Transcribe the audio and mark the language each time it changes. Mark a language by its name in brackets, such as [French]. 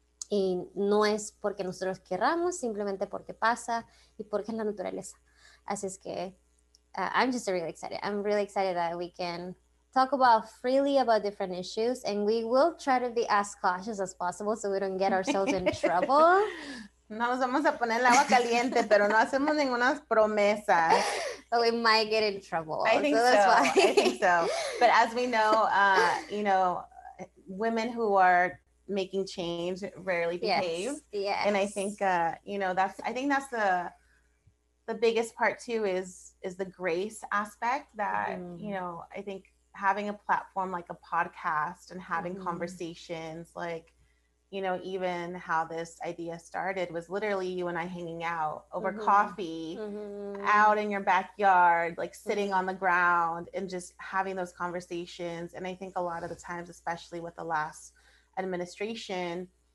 [Spanish] Y no es porque nosotros querramos, simplemente porque pasa y porque es la naturaleza. Así es que [English] I'm just really excited. I'm really excited that we can talk about freely about different issues, and we will try to be as cautious as possible so we don't get ourselves in trouble. [Spanish] No nos vamos a poner el agua caliente, pero no hacemos ninguna promesa. [English] But we might get in trouble. I think so. That's why. I think so. But as we know, you know, women who are making change rarely behave. Yes. And I think, you know, that's the biggest part too is the grace aspect that, you know, I think having a platform like a podcast and having conversations, like, you know, even how this idea started was literally you and I hanging out over coffee, out in your backyard, like sitting on the ground and just having those conversations. And I think a lot of the times, especially with the last administration,